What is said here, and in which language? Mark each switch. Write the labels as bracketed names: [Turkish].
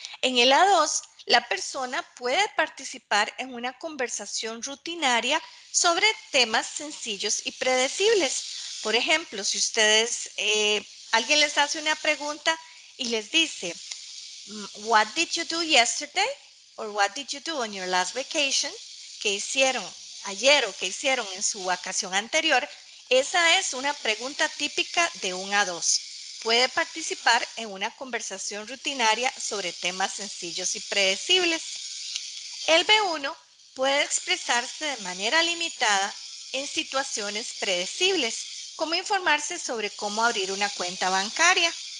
[Spanish] En el A2, la persona puede participar en una conversación rutinaria sobre temas sencillos y predecibles. Por ejemplo, si ustedes, alguien les hace una pregunta y les dice, [English] What did you do yesterday? Or what did you do on your last vacation? [Spanish] ¿Qué hicieron ayer o qué hicieron en su vacación anterior? Esa es una pregunta típica de un A2. Puede participar en una conversación rutinaria sobre temas sencillos y predecibles. El B1 puede expresarse de manera limitada en situaciones predecibles, como informarse sobre cómo abrir una cuenta bancaria.